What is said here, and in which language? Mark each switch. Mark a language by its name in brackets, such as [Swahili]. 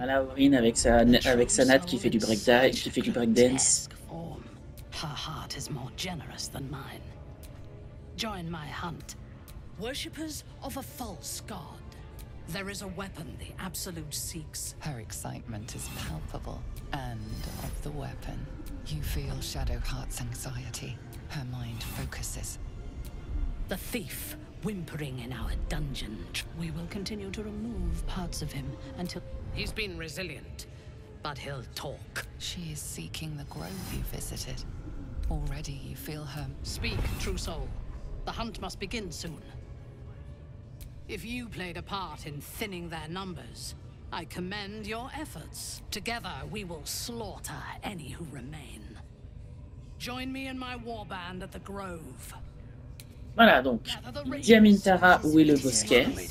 [French] Voilà, Aurine avec sa natte qui fait du breakdance, qui fait du breakdance. [English] Her heart is more generous than mine. Join my hunt. Worshippers of a false god. There is a weapon the Absolute seeks. Her excitement is palpable. And of the weapon, you feel Shadowheart's anxiety. Her mind focuses. The thief whimpering in our dungeon. We will continue to remove parts of him until... He's been resilient, but he'll talk. She is seeking the grove you visited. Already you feel her... Speak, true soul. The hunt must begin soon. If you played a part in thinning their numbers, I commend your efforts. Together we will slaughter any who remain. Join me in my warband at the grove. [French] Voilà, donc, Diamintara, où est le bosquet.